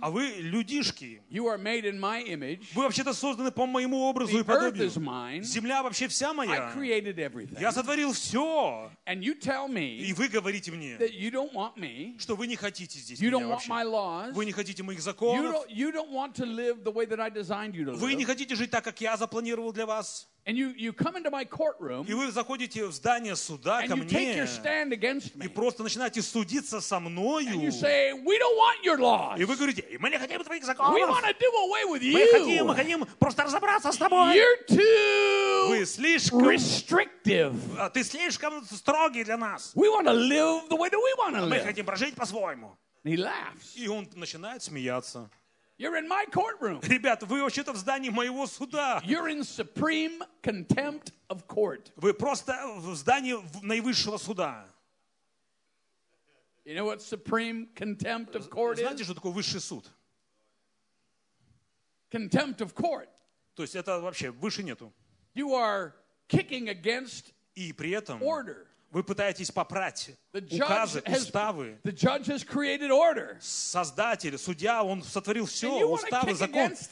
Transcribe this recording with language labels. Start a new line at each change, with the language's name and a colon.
Russian: А вы людишки.
English: You are made in my image.
Russian: Вы вообще-то созданы по моему образу
English: the
Russian: и подобию.
English: Earth is mine.
Russian: Земля вообще вся моя.
English: I created everything.
Russian: Я сотворил все.
English: And you tell me
Russian: и вы говорите мне,
English: that you don't want me,
Russian: что вы не хотите здесь
English: you
Russian: меня
English: don't want
Russian: вообще.
English: My laws,
Russian: вы не хотите моих законов.
English: You don't want to live the way that I designed you to live.
Russian: Вы не хотите жить так, как я запланировал для вас.
English: And you come into my courtroom,
Russian: и вы заходите в здание суда
English: and
Russian: ко
English: you
Russian: мне
English: take your stand against me,
Russian: и просто начинаете судиться со мною.
English: And you say, we don't want your laws.
Russian: И вы говорите, мы не хотим твоих законов.
English: We want to do away with you.
Russian: Мы хотим просто разобраться с тобой.
English: You're too
Russian: вы слишком
English: restrictive.
Russian: Ты слишком строгий для нас.
English: We want to live the way that we want to live.
Russian: Мы хотим прожить по-своему.
English: And he laughs.
Russian: И он начинает смеяться.
English: You're in my courtroom.
Russian: Ребят, вы вообще-то в здании моего суда.
English: You're in supreme contempt of court.
Russian: Вы просто в здании наивысшего суда.
English: You know what supreme contempt of court is?
Russian: Знаете, что такое высший суд?
English: Contempt of court.
Russian: То есть это вообще выше нету.
English: You are kicking against
Russian: и при этом
English: order.
Russian: Вы пытаетесь попрать указы, уставы.
English: The judge has created order.
Russian: Создатель, судья, он сотворил все, уставы, закон.